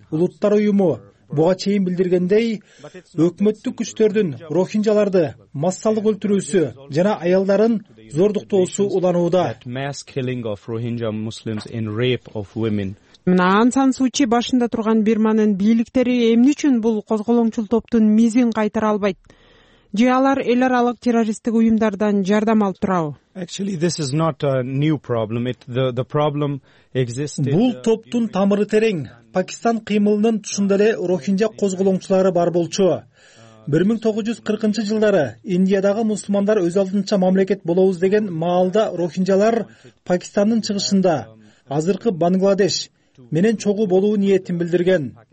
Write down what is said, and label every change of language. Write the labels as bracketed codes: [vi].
[ky] Улуттар уюму буга чейин билдиргендей, өкмөттүк күчтөрдүн рохинжаларды массалык өлтүрүүсү жана аялдарын зордуктоосу уланууда. Аң Сан Сучи башында турган Бирманын бийликтери эмне үчүн бул козголоңчул топтун мизин кайтара албайт? Же алар эл аралык террористтик уюмдардан жардам алып турабы? [en] Actually, this is not a new problem. The problem existed. [ky] Бул топтун тамыры терең. Пакистан кыймылынын тушунда эле Рохинжа козголоңчулары бар болчу. 1940-жылдары Индиядагы мусулмандар өз алдынча мамлекет болобуз деген маалда Рохинжалар Пакистандын чыгышында, азыркы Бангладеш менен чогуу болуу ниетин билдирген.